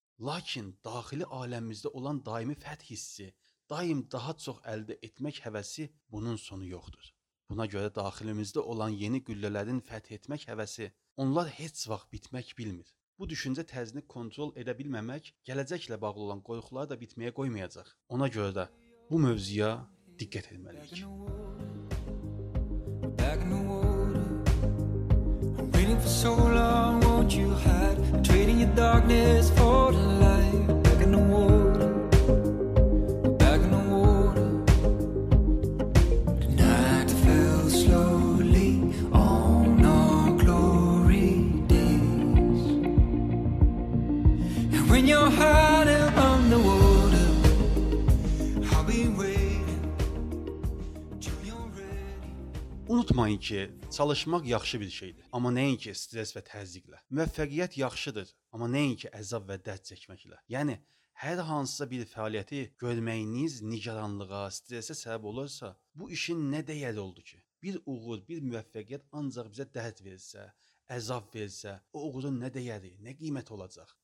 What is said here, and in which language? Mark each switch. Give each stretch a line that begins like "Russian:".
Azerbaijani: Lakin daxili aləmimizdə olan daimi fəth hissi, daim daha çox əldə etmək həvəsi bunun sonu yoxdur. Buna görə daxilimizdə olan yeni güllələrin fəth etmək həvəsi onlar heç vaxt bitmək bilmir. Bu düşüncə tərzini kontrol edə bilməmək gələcəklə bağlı olan qorxuları da bitməyə qoymayacaq. Ona görə də bu mövzuya diqqət etməliyik.
English: Back in the water, back in the water. darkness for the light. Back in the water, back in the water. The night fell slowly on our glory days. And when your heart is on the water, I'll be waiting till you're ready.
Azerbaijani: Unutmayın ki çalışmaq yaxşı bir şeydir, amma nəinki stres və təzyiqlə. Müvəffəqiyyət yaxşıdır, amma nəinki əzab və dərd çəkməklə. Yəni, hər hansısa bir fəaliyyəti görməyiniz nigaranlığa, stresə səbəb olursa, bu işin nə dəyəri oldu ki? Bir uğur, bir müvəffəqiyyət ancaq bizə dərd versə, əzab versə, o uğurun nə dəyəri, nə qiymət olacaq?